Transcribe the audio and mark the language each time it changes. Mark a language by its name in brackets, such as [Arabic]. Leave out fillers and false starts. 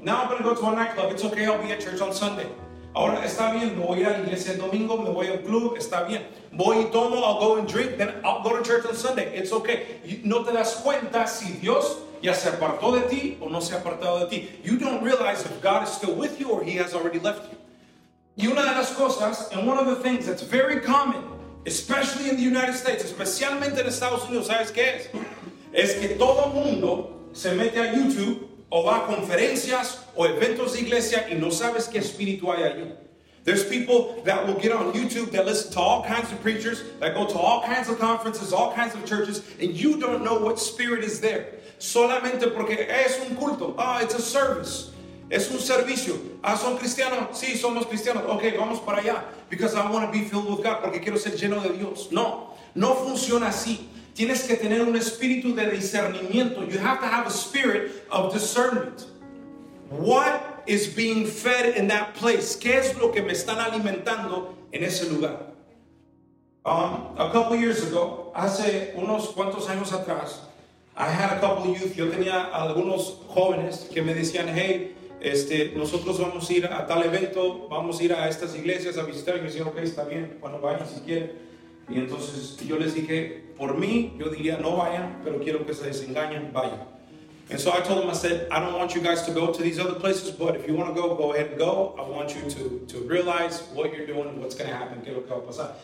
[English] Now I'm going to go to a nightclub. It's okay, I'll be at church on Sunday. [Spanish] Ahora está bien, me voy a la iglesia el domingo, me voy al club, está bien. Voy y tomo, [English] I'll go and drink, then I'll go to church on Sunday. It's okay. [Spanish] No te das cuenta si Dios ya se apartó de ti o no se ha apartado de ti. [English] You don't realize if God is still with you or he has already left you. [Spanish] Y una de las cosas, [English] and one of the things that's very common, especially in the United States, [Spanish] especialmente en Estados Unidos, ¿sabes qué es? Es que todo mundo se mete a YouTube o va a conferencias o eventos de iglesia y no sabes qué espíritu hay allí. [English] There's people that will get on YouTube that listen to all kinds of preachers, that go to all kinds of conferences, all kinds of churches, and you don't know what spirit is there. [Spanish] Solamente porque es un culto. [English] Oh, it's a service. [Spanish] Es un servicio. Ah, ¿son cristianos? Sí, somos cristianos. Ok, vamos para allá. [English] Because I want to be filled with God. [Spanish] Porque quiero ser lleno de Dios. No, no funciona así. Tienes que tener un espíritu de discernimiento. [English] You have to have a spirit of discernment. What is being fed in that place? [Spanish] ¿Qué es lo que me están alimentando en ese lugar? [English] A couple years ago, [Spanish] hace unos cuantos años atrás, [English] I had a couple of youth. [Spanish] Yo tenía algunos jóvenes que me decían, hey, nosotros vamos a ir a tal evento, vamos a ir a estas iglesias a visitar. Y me decían, ok, está bien, bueno, vayan si quieren. Y entonces yo les dije, por mí, yo diría, no vayan, pero quiero que se desengañen, vayan. [English] And so I told them, I said, I don't want you guys to go to these other places, but if you want to go, go ahead and go. I want you to realize what you're doing, what's going to happen, [Spanish] qué es lo que va a pasar.